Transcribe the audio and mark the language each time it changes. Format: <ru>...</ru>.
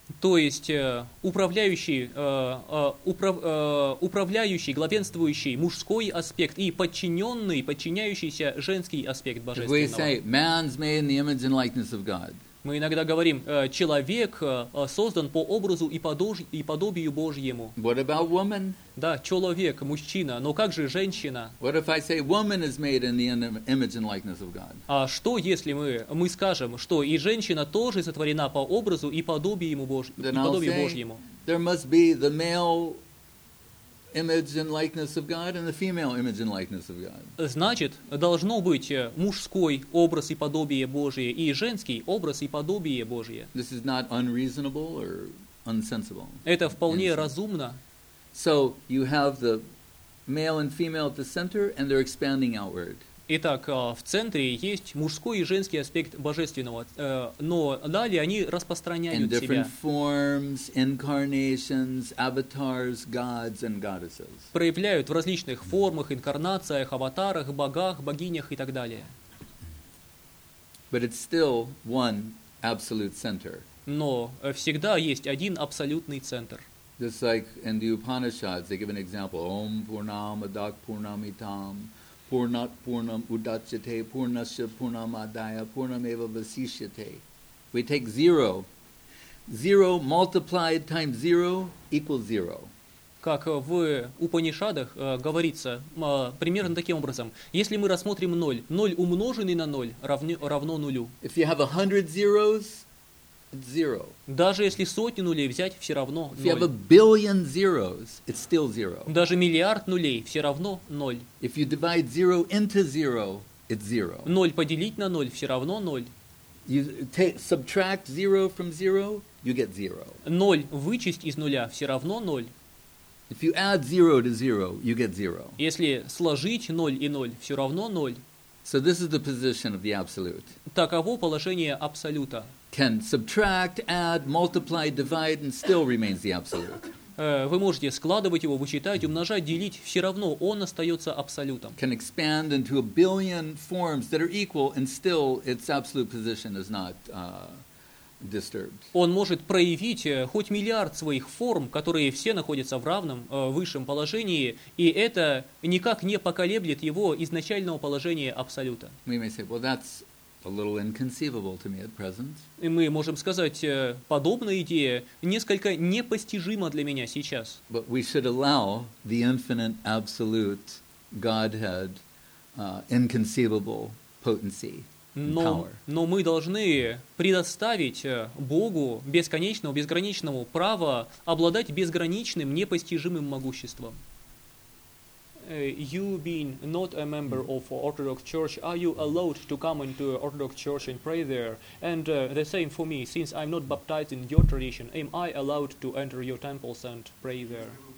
<ru>То есть управляющий, главенствующий мужской аспект и подчиненный, подчиняющийся женский аспект божественного.</ru> <en>We say man's made in the image and likeness of God.</en> <ru>Мы иногда говорим, человек создан по образу и подобию Божьему.</ru> <en>What about woman?</en> <ru>Да, человек, мужчина, но как же женщина?</ru> <en>What if I say woman is made in the image and likeness of God?</en> <ru>А что, если мы скажем, что и женщина тоже сотворена по образу и подобию Божьему?</ru> <en>There must be the male image and likeness of God and the female image and likeness of God.</en> <ru>Значит, должно быть мужской образ и подобие Божие и женский образ и подобие Божие.</ru> <en>This is not unreasonable or unsensible.</en> <ru>Это вполне разумно.</ru> <en>So you have the male and female at the center and they're expanding outward.</en> <ru>Итак, в центре есть мужской и женский аспект божественного, но далее они распространяют себя.</ru> <en>In different</en> <ru>себя.</ru> <en>Forms, incarnations, avatars, gods and goddesses.</en> <ru>Проявляют в различных формах, инкарнациях, аватарах, богах, богинях и так далее.</ru> <en>But it's still one absolute center.</en> <ru>Но всегда есть один абсолютный центр.</ru> <en>Just like in the Upanishads, they give an example:</en> <sa>Om Purnam Adak Purnamitam. Purnat Purnam Udachyate Purnasya Purnamadaya Purnameva Vasishyate.</sa> <en>We take zero. Zero multiplied times zero equals zero.</en> <ru>Как в Упанишадах говорится примерно таким образом. Если мы рассмотрим ноль, ноль умноженный на ноль равно нулю.</ru> <en>If you have 100 zeros, it's zero.</en> <ru>Даже если сотни нулей взять, все равно ноль.</ru> <en>If you have a billion zeros, it's still zero.</en> <ru>Даже миллиард нулей, все равно ноль.</ru> <en>If you divide zero into zero, it's zero.</en> <ru>Ноль поделить на ноль, все равно ноль.</ru> <en>You subtract zero from zero, you get zero.</en> <ru>Ноль вычесть из нуля, все равно ноль.</ru> <en>If you add zero to zero, you get zero.</en> <ru>Если сложить ноль и ноль, все равно ноль.</ru> <en>So this is the position of the absolute.</en> <ru>Таково положение абсолюта.</ru> <en>Can subtract, add, multiply, divide, and still remains the absolute.</en> <ru>Вы можете складывать его, вычитать, умножать, делить, все равно он остается абсолютом.</ru> <en>Can expand into a billion forms that are equal, and still its absolute position is not disturbed.</en> <ru>Он может проявить хоть миллиард своих форм, которые все находятся в равном, высшем положении, и это никак не поколеблет его изначального положения абсолюта.</ru> <en>We may say, well, that's a little inconceivable to me at present.</en> <ru>И мы можем сказать, подобная идея несколько непостижима для меня сейчас.</ru> <en>But we should allow the infinite absolute Godhead inconceivable potency.</en> <ru>Но мы должны предоставить Богу бесконечному, безграничному право обладать безграничным, непостижимым могуществом.</ru> <en>You being not a member of Orthodox Church, are you allowed to come into Orthodox Church and pray there? And the same for me, since I'm not baptized in your tradition, am I allowed to enter your temples and pray there?</en>